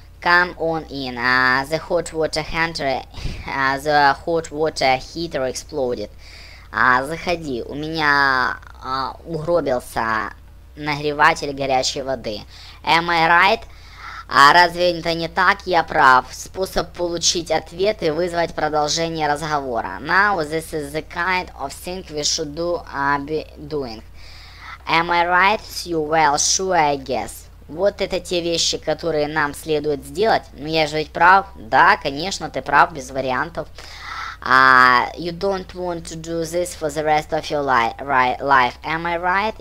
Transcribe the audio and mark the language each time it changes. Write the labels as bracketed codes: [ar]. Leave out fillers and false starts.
[en] Come on in, the hot water heater, exploded. [ru] Заходи, у меня угробился нагреватель горячей воды. Am I right? А разве это не так? Я прав. Способ получить ответ и вызвать продолжение разговора. [en] Now this is the kind of thing we should do, be doing. Am I right, Sue? Well, sure, I guess. [ru] Вот это те вещи, которые нам следует сделать. Ну я же ведь прав. Да, конечно, ты прав, без вариантов. [en] You don't want to do this for the rest of your life, am I right?